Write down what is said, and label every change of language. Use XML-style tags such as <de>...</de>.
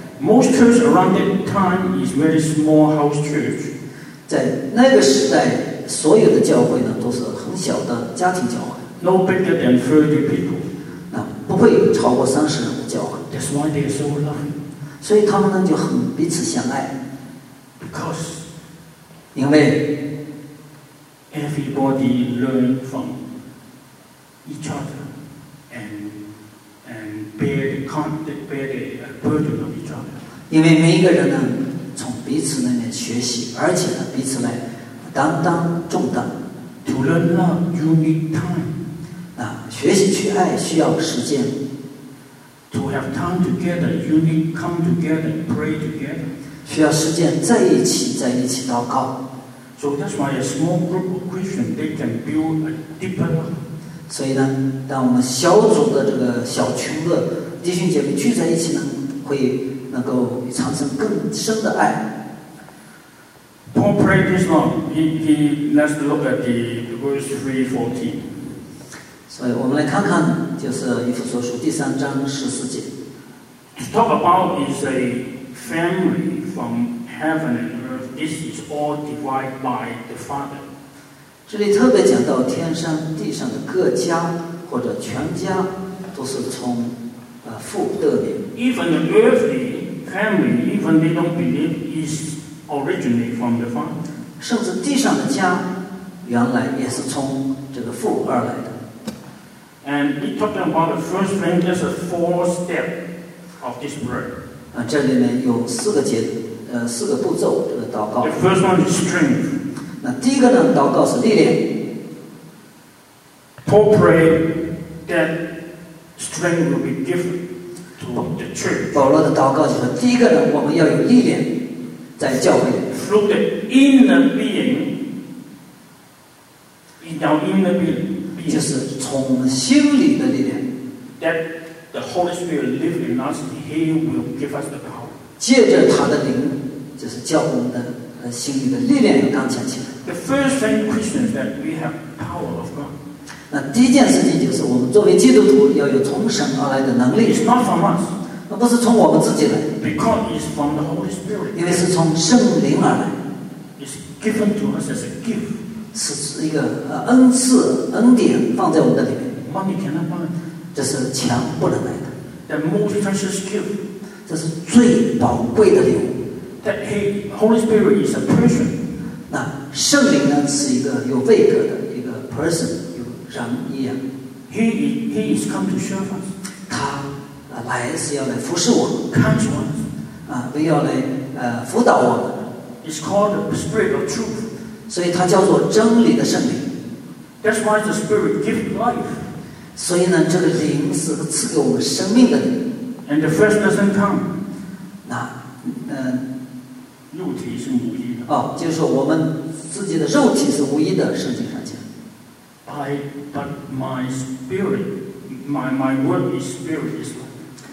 <en>Most church around that time is very small house church.</en> <zh>在那个时代，所有的教会呢都是很小的家庭教会。</zh> <en>No bigger than 30 people.</en> <zh>那不会超过三十人的教会。</zh> <en>That's why they are so loving.</en> <zh>所以他们呢就很彼此相爱。</zh> <en>Because,</en> <zh>因为</zh> <en>everybody learn from each other and bear the burden of each other.</en> <zh>因为每一个人呢，从彼此那边学习，而且呢，彼此来担当重担。</zh> <en>To learn love, you need time.</en> <zh>那学习去爱需要时间。</zh> <en>To have time together, you need come together, pray together.</en> <zh>需要时间在一起，在一起祷告。</zh> <en>So that's why a small group of Christians they can build a deeper love.</en> <zh>所以呢，当我们小组的这个小群的弟兄姐妹聚在一起呢，会。能够产生更深的爱。</zh> <en>Paul prayed this long. He let's look at the verse 3:14.</en> <zh>所以我们来看看，就是以弗所书第三章十四节。</zh> <en>To talk about is a family from heaven and earth. This is all divided by the Father.</en> <zh>这里特别讲到天上地上的各家或者全家，都是从父得名。</zh> <en>Even the earthly family, even they don't believe, is originally from the Father.</en> <zh>甚至地上的家原来也是从这个父而来的。</zh> <en>And he talking about the first thing, just a four step of this prayer.</en> <zh>啊，这里面有四个节，四个步骤，这个祷告。</zh> <en>The first one is strength.</en> <zh>那第一个呢，祷告是力量。</zh> <en>Paul prayed that strength will be given to the church.</en> <zh>保罗的祷告就是第一个呢，我们要有力量在教会。</zh> <en>Through the inner being, in our inner being.</en> <zh>就是从心里的力量</zh> <en>that the Holy Spirit lives in us, He will give us the power.</en> <zh>借着他的灵，就是叫我们的心里的力量要刚强起来。</zh> <en>The first thing Christians that we have power of God.</en> <zh>那第一件事情就是我们作为基督徒要有从神而来的能力。</zh> <en>It's not from us.</en> <zh>那不是从我们自己来。</zh> <en>Because it's from the Holy Spirit.</en> <zh>因为是从圣灵而来。</zh> <en>It's given to us as a gift.</en> <zh>是一个恩赐恩典放在我们的里面</zh> <en>money cannot buy</en> <zh>这是钱不能买的</zh> <en>the most precious gift</en> <zh>这是最宝贵的礼物</zh> <en>that he, Holy Spirit is a person</en> <zh>那圣灵呢是一个有位格的一个 person 有人一样</zh> <en>he is come to serve us</en> <zh>他来是要来服侍我</zh> <en>comes to us</en> <zh>为要来辅导我</zh> <en>it's called the spirit of truth</en> <zh>所以它叫做真理的圣灵。</zh> <en>That's why the Spirit gives life.</en> <zh>所以呢，这个灵是赐给我们生命的灵。</zh> <en>And the flesh doesn't come.</en> <zh>那，肉体是无一的。哦，就是说我们自己的肉体是无一的，圣经上讲。</zh> <en>But my spirit, my word is spirit is life.</en>